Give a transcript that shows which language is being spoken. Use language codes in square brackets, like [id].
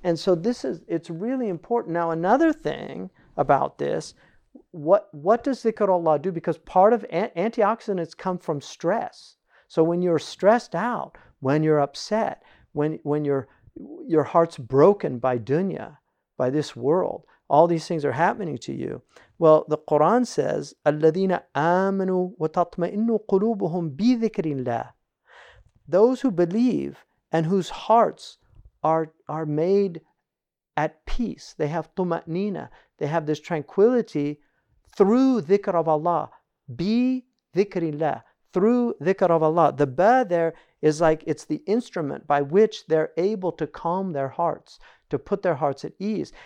[en] And so it's really important. Now, another thing about this, what does dhikrullah do? Because part of antioxidants come from stress. So when you're stressed out, when you're upset, when your heart's broken by dunya, by this world, all these things are happening to you. Well, the Quran says, [ar] الَّذِينَ آمَنُوا وَتَطْمَئِنُّوا قُلُوبُهُمْ بِذِكْرِ اللَّهِ. [en] Those who believe and whose hearts are made at peace, they have tumanina, they have this tranquility through dhikr of Allah, bi dhikri Allah, through dhikr of Allah. The ba there is like, it's the instrument by which they're able to calm their hearts, to put their hearts at ease.